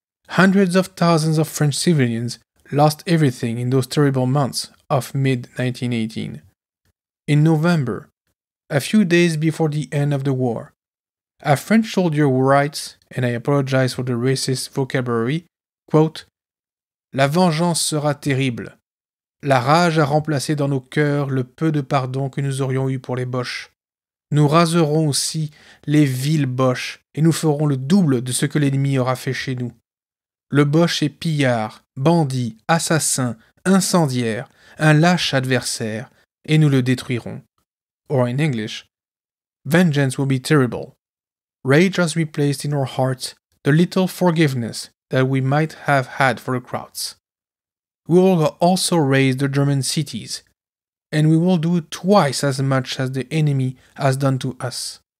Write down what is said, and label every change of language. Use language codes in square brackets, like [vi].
[en] Hundreds of thousands of French civilians lost everything in those terrible months of mid-1918. In November, a few days before the end of the war, a French soldier writes, and I apologize for the racist vocabulary, quote, [fr] "La vengeance sera terrible. La rage a remplacé dans nos cœurs le peu de pardon que nous aurions eu pour les Boches. Nous raserons aussi les villes Boches et nous ferons le double de ce que l'ennemi aura fait chez nous. Le Boche est pillard, bandit, assassin, incendiaire, un lâche adversaire, et nous le détruirons." [en] Or in English, "Vengeance will be terrible. Rage has replaced in our hearts the little forgiveness that we might have had for the Krauts. We will also raise the German cities, and we will do twice as much as the enemy has done to us.